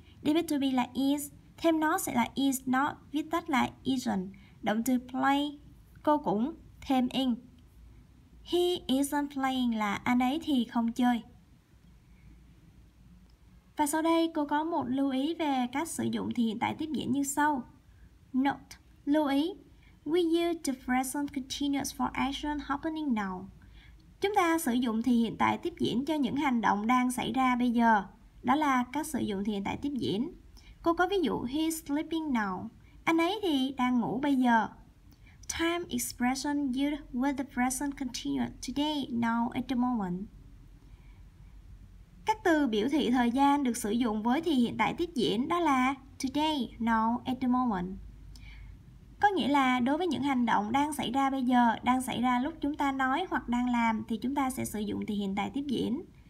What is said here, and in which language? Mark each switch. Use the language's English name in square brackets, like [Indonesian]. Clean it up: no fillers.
[Vietnamese] Đi với to be là is, thêm nó sẽ là is not, viết tắt là isn't. Động từ play cô cũng thêm in. [English] He isn't playing [Vietnamese] là anh ấy thì không chơi. Và sau đây cô có một lưu ý về cách sử dụng thì hiện tại tiếp diễn như sau. Note, lưu ý. [English] We use the present continuous for action happening now. [Vietnamese] Chúng ta sử dụng thì hiện tại tiếp diễn cho những hành động đang xảy ra bây giờ. Đó là cách sử dụng thì hiện tại tiếp diễn. Cô có ví dụ [English] he's sleeping now. [Vietnamese] Anh ấy thì đang ngủ bây giờ. [English] Time expression used with the present continuous today, now, at the moment. [Vietnamese] Các từ biểu thị thời gian được sử dụng với thì hiện tại tiếp diễn đó là today, now, at the moment. Có nghĩa là đối với những hành động đang xảy ra bây giờ, đang xảy ra lúc chúng ta nói hoặc đang làm thì chúng ta sẽ sử dụng thì hiện tại tiếp diễn.